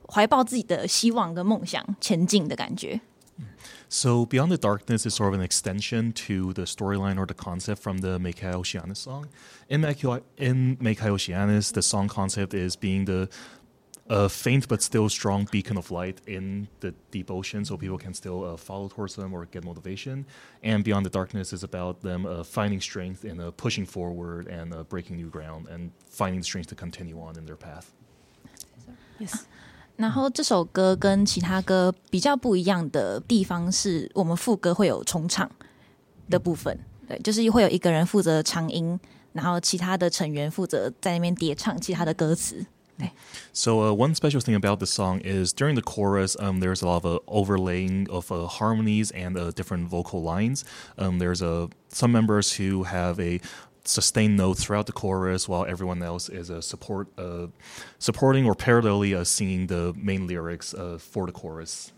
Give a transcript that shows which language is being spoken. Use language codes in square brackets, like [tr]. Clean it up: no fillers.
[zh] 那它比较像是在叙述我们在黑暗中，可是我们怀抱自己的希望跟梦想前进的感觉。 [en] So Beyond the Darkness is sort of an extension to the storyline or the concept from the Meikai Oceanus song. In Meikai Oceanus, the song concept is being the faint but still strong beacon of light in the deep ocean, so people can still follow towards them or get motivation. And Beyond the Darkness is about them finding strength and pushing forward and breaking new ground and finding strength to continue on in their path. Yes. [zh] 然后这首歌跟其他歌比较不一样的地方是我们副歌会有重唱的部分，对，就是会有一个人负责唱音，然后其他的成员负责在那边叠唱其他的歌词。 [en] So one special thing about the song is during the chorus, there's a lot of overlaying of harmonies and different vocal lines. There's some members who have a sustained note throughout the chorus while everyone else is supporting or parallelly singing the main lyrics for the chorus.